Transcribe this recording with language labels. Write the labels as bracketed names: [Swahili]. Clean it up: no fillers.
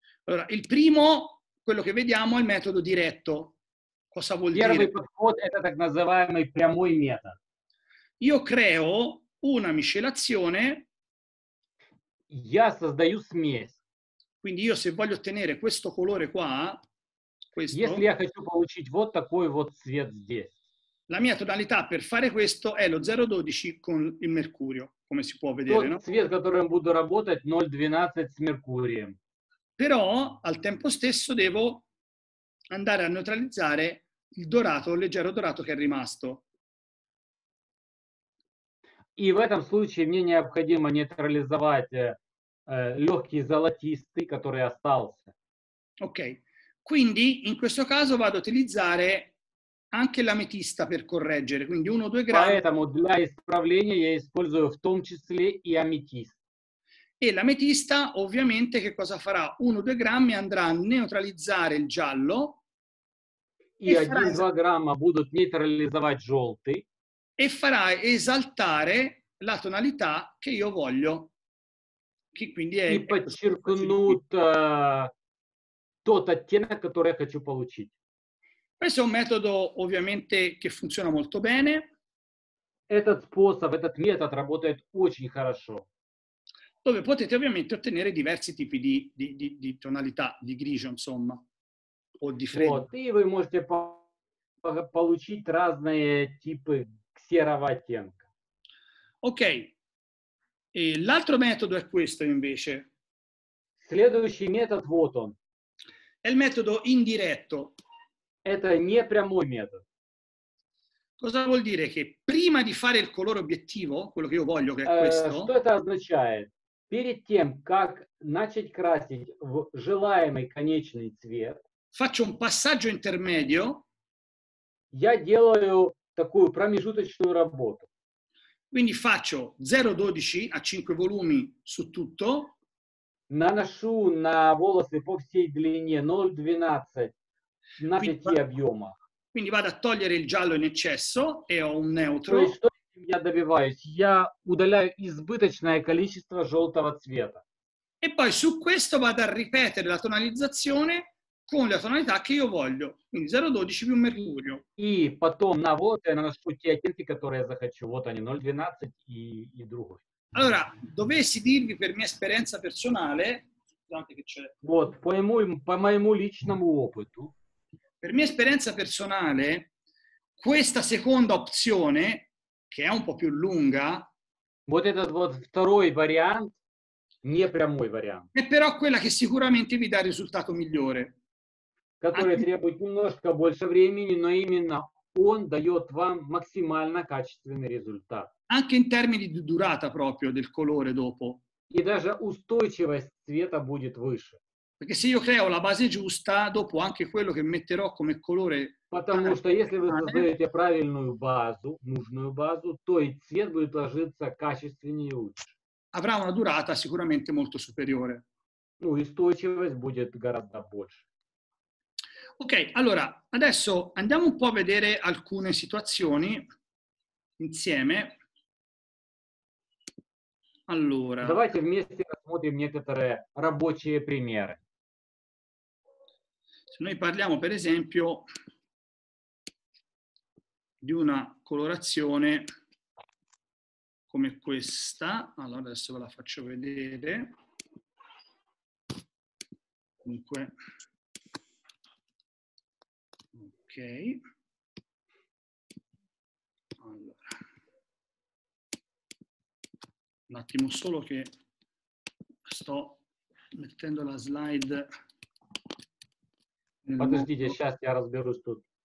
[Italian] Allora, il primo, quello che vediamo, è il metodo diretto. Cosa vuol dire? [Russian] Первый подход – это так называемый прямой метод. [Italian] Io creo una miscelazione. [Russian] Я создаю смесь. [Italian] Quindi io, se voglio ottenere questo colore qua, questo, [Russian] если я хочу получить вот такой вот цвет здесь. [Italian] La mia tonalità per fare questo è lo 0,12 con il mercurio, come si può vedere, no? [Russian] Цвет, которым буду работать, 0,12 с меркурием. [Italian] Però al tempo стесso devo andare a neutralizzare il dorato, il leggero dorato che è rimasto. [Russian] И в этом случае мне необходимо нейтрализовать легкий золотистый, который остался. [Italian] Ok. Quindi, in questo caso, vado a utilizzare anche l'ametista per correggere, quindi 1-2 gradi. [Russian] Поэтому для исправления я использую в том числе и аметист. [Italian] E l'ametista, ovviamente, che cosa farà? 1-2 grammi andrà a neutralizzare il giallo. [Russian] И 1-2 грамма будут нейтрализовать желтый. [Italian] E farà esaltare la tonalità che io voglio. Che quindi è... [Russian] И подчеркнут... тот оттенок, который я хочу получить. [Italian] Questo è un metodo ovviamente che funziona molto bene. [Russian] Этот способ, этот метод работает очень хорошо. [Italian] Dove potete ovviamente ottenere diversi tipi di tonalità, di grigio, insomma, o di freddo. [Russian] Вот, и вы можете получить разные типы серого оттенка. [Italian] Ok. E l'altro metodo è questo invece. [Russian] Следующий метод вот он. [Italian] È il metodo indiretto. [Russian] Это не прямой метод. [Italian] Cosa vuol dire? Che prima di fare il colore obiettivo, quello che io voglio, che è questo... [Russian] Что это означает? Перед тем, как начать красить в желаемый конечный цвет... [Italian] Faccio un passaggio intermedio... [Russian] Я делаю такую промежуточную работу. [Italian] Quindi faccio 0,12 a 5 volumi su tutto... [Russian] Наношу на волосы по всей длине 0,12 на 5 объема. [Italian] Quindi vado a togliere il giallo in eccesso e ho un neutro. [Russian] Что я добиваюсь? Я удаляю избыточное количество желтого цвета. [Italian] E poi su questo vado a ripetere la tonalizzazione con la tonalità che io voglio. Quindi 0,12 più mercurio. [Russian] И потом на волосы я наношу те оттенки, которые я захочу. Вот они, 0,12 и другой. [Italian] Allora, dovessi dirvi per mia esperienza personale, scusate che c'è. [Russian] Вот, по моему личному опыту. [Italian] Per mia esperienza personale, questa seconda opzione, che è un po' più lunga, [Russian] вот этот вот второй вариант, не прямой вариант. [Italian] È però quella che sicuramente vi dà il risultato migliore. [Russian] Который требует немножко больше времени, но именно он дает вам максимально качественный результат. [Italian] Anche in termini di durata proprio del colore dopo. [Russian] И даже устойчивость цвета будет выше. [Italian] Perché se io creo la base giusta, dopo anche quello che metterò come colore... [Russian] Потому что если вы создаете правильную базу, нужную базу, то и цвет будет ложиться качественнее и лучше. [Italian] Avrà una durata sicuramente molto superiore. [Russian] Ну, устойчивость будет гораздо больше. [Italian] Ok, allora, adesso andiamo un po' a vedere alcune situazioni insieme. Allora. [Russian] Давайте вместе рассмотрим некоторые рабочие примеры. [Italian] Se noi parliamo, per esempio, di una colorazione come questa. Allora, adesso ve la faccio vedere. Dunque. Ok. Allora. Un attimo solo che sto mettendo la slide. [Russian] Подождите, сейчас я разберусь тут.